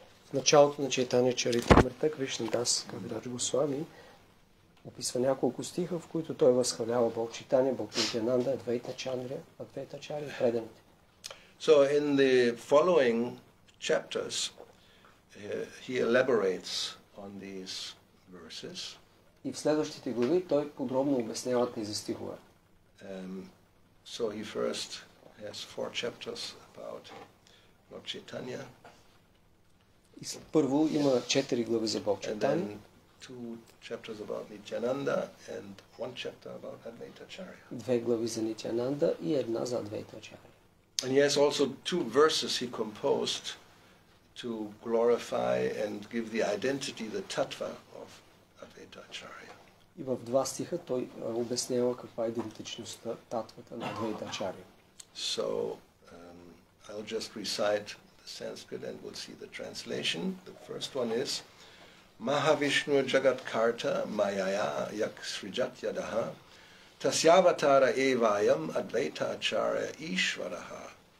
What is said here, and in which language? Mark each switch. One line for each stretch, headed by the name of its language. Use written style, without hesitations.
Bulgarian: В началото на Чайтанья Чаритамрита Кришна Дас Кавирадж Госвами описва няколко стиха, в които той възхвалява Бог Чайтанья, Бог Нитянанда, Адвайта Ачаря, Адвайта Ачаря, преданите.
English: So in the following chapters he elaborates on these verses.
Bulgarian: И в следващите глави той подробно обяснява тези стихове.
English: So he first has four chapters about Lord Chaitanya.
Bulgarian: И първо има четири глави за Бог Чайтанья.
English: And then two chapters about Nityananda and one chapter about Advaita Acharya.
Bulgarian: Две глави за Нитянанда и една за Адвайта Ачарья.
English: And he has also two verses he composed to glorify and give the identity, the tattva of Advaita Acharya.
Bulgarian: И в два стиха той обяснява каква е идентичността, татвата на Адвайта Ачарья.
English: So I'll just recite Sanskrit and we'll see the translation. The first one is
Sanskrit: Mahavishnu Jagat Karta Mayaya Yak Srijat Yadaha Tasyavatara Evayam Advaita Acharya Ishvaraha.